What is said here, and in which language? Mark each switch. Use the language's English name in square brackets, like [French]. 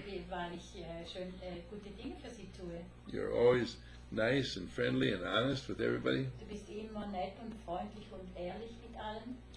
[German] Weil ich schön gute Dinge für sie tue. [English] You're always nice and friendly and honest with everybody. [German] Du bist immer nett und freundlich und ehrlich mit allen.